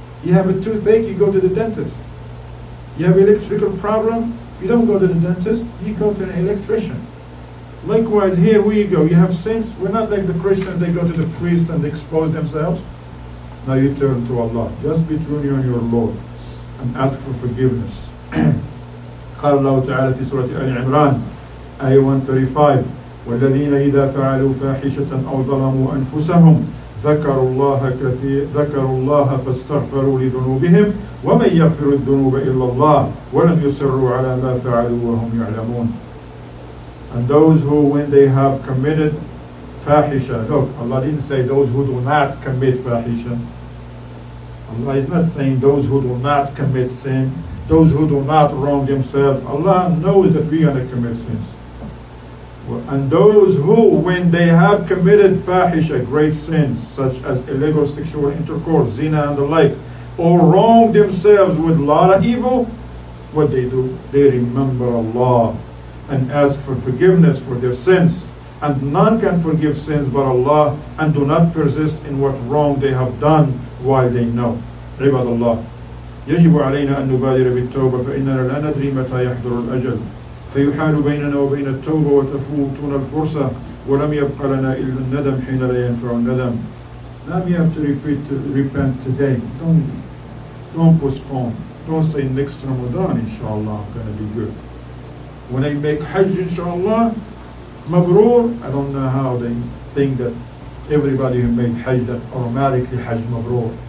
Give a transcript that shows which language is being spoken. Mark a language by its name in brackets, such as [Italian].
[English] You have a toothache, you go to the dentist. You have an electrical problem, you don't go to the dentist, you go to an electrician. Likewise, here we go. You have sins, we're not like the Christians, they go to the priest and they expose themselves. Now you turn to Allah. Just be truly on your Lord and ask for forgiveness. [Arabic] قال الله تعالى في سورة آل عمران آية 135 والذين إذا فعلوا فاحشة أو ظلموا أنفسهم ذكروا الله كثير ذكروا الله فاستغفروا لذنوبهم ومن يغفر الذنوب إلا الله ولم يصروا على ما فعلوا وهم يعلمون. [English] And those who, when they have committed فاحشة, look, Allah didn't say those who do not commit فاحشة. Allah is not saying those who do not commit sin, those who do not wrong themselves. Allah knows that we are going to commit sins. And those who, when they have committed fahisha, great sins, such as illegal sexual intercourse, zina and the like, or wrong themselves with a lot of evil, what they do? They remember Allah and ask for forgiveness for their sins. And none can forgive sins but Allah, and do not persist in what wrong they have done while they know. [Arabic] عباد الله يجب علينا أن نبادر بالتوبة فإننا لا ندري متى يحضر الأجل فيحال بيننا وبين التوبة وتفوتنا الفرصة ولم يبق لنا إلا الندم حين لا ينفع الندم. [English] Now we have to repent today. Don't postpone. Don't say next Ramadan, inshallah, going to be good. When I make Hajj, inshallah, Mabrur, I don't know how they think that everybody who made Hajj that automatically Hajj Mabrur.